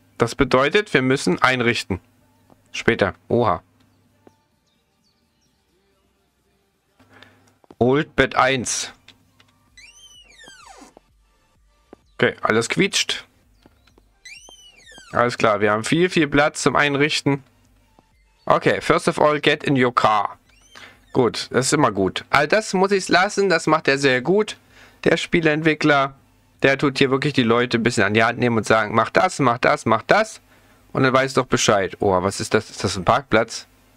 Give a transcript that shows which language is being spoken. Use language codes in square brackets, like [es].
[de] Das bedeutet, wir müssen einrichten. Später. Oha. Old Bed 1. Okay, alles quietscht. Alles klar, wir haben viel, viel Platz zum Einrichten. [en] Okay, first of all, get in your car. [de] Gut, das ist immer gut. All das muss ich lassen, das macht er sehr gut. Der Spieleentwickler, der tut hier wirklich die Leute ein bisschen an die Hand nehmen und sagen, mach das, mach das, mach das. Und dann weiß doch Bescheid. Oh, was ist das? Ist das ein Parkplatz?